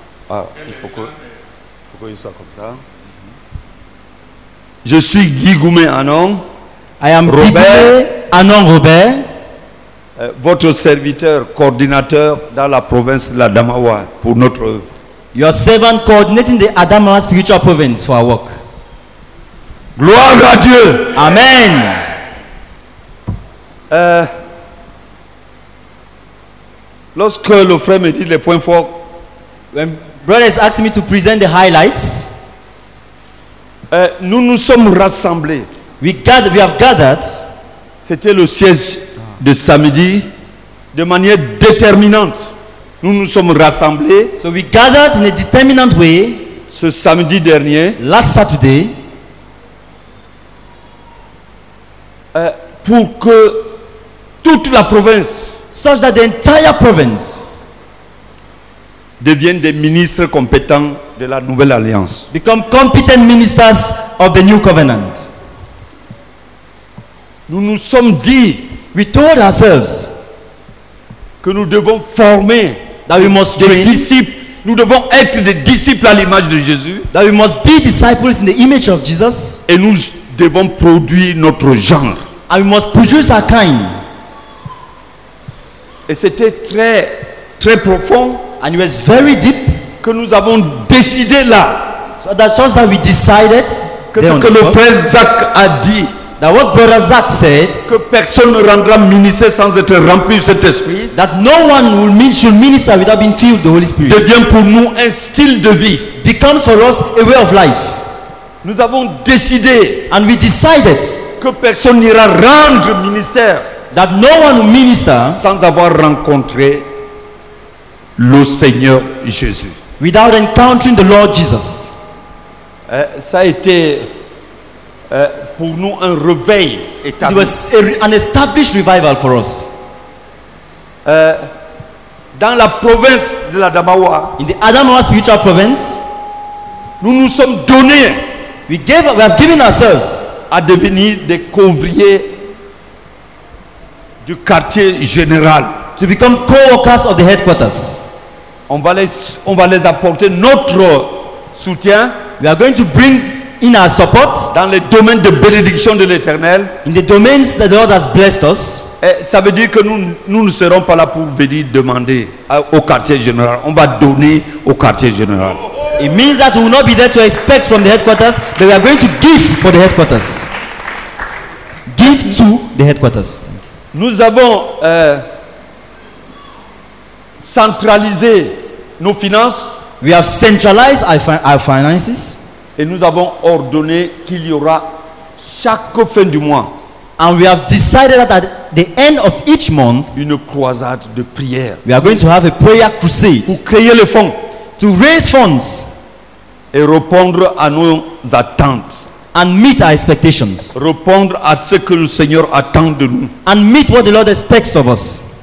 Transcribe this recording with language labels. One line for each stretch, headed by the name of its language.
French: Ah, il faut que il soit comme ça. Je suis Guigoumé Anon.
English: I am Robert Anon Robert.
French: Votre serviteur coordinateur dans la province de la Adamawa pour notre œuvre.
English: Your servant coordinating the Adamawa spiritual province for our work.
French: Gloire à Dieu. Amen. Lorsque le frère me dit les points forts,
English: when brothers asked me to present the highlights,
French: nous nous sommes rassemblés.
English: We have gathered.
French: C'était le siège de samedi, de manière déterminante. Nous nous sommes rassemblés.
English: So we gathered in a determinant way.
French: Ce samedi dernier.
English: Last Saturday.
French: Pour que toute la province,
English: such that the entire province,
French: devienne des ministres compétents de la nouvelle alliance,
English: become competent ministers of the new covenant.
French: Nous nous sommes dit,
English: we told ourselves,
French: que nous devons former,
English: that we must
French: des disciples, nous devons être des disciples à l'image de Jésus,
English: that we must be disciples in the image of Jesus,
French: et nous devons produire notre genre.
English: And we must produce our kind.
French: Et c'était très, très profond.
English: And it was very deep.
French: Que nous avons décidé là.
English: So that's just that we decided.
French: Que ce que le frère Zach a dit.
English: That what brother Zach said.
French: Que personne ne rendra ministère sans être rempli de cet esprit.
English: That no one should minister without being filled with the Holy Spirit.
French: Devient pour nous un style de vie.
English: Becomes for us a way of life.
French: Nous avons décidé.
English: And we decided.
French: Que personne n'ira rendre ministère,
English: that no one will minister,
French: sans avoir rencontré le Seigneur Jésus,
English: without encountering the Lord Jesus.
French: Ça a été pour nous un réveil établi.
English: It was an established revival for us.
French: Dans la province de la Adamawa,
English: in the Adamawa spiritual province,
French: nous nous sommes donnés,
English: we have given ourselves,
French: à devenir des couvriers du quartier général.
English: To become co-workers of the headquarters.
French: On va les apporter notre soutien.
English: We are going to bring in our support
French: dans les domaines de bénédiction de l'Éternel.
English: In the domains that the Lord has blessed us.
French: Et ça veut dire que nous ne serons pas là pour venir demander au quartier général. On va donner au quartier général.
English: It means that we will not be there to expect from the headquarters, but we are going to give for the headquarters. Give to the headquarters.
French: Nous avons centralisé nos finances.
English: We have centralized our finances.
French: Et nous avons ordonné qu'il y aura chaque fin du mois.
English: And we have decided that at the end of each month,
French: une croisade de prière.
English: We are going to have a prayer crusade.
French: Pour créer le fonds.
English: To raise funds
French: et répondre à nos attentes,
English: and meet our expectations,
French: répondre à ce que le Seigneur attend de nous,
English: and meet what the Lord expects of us.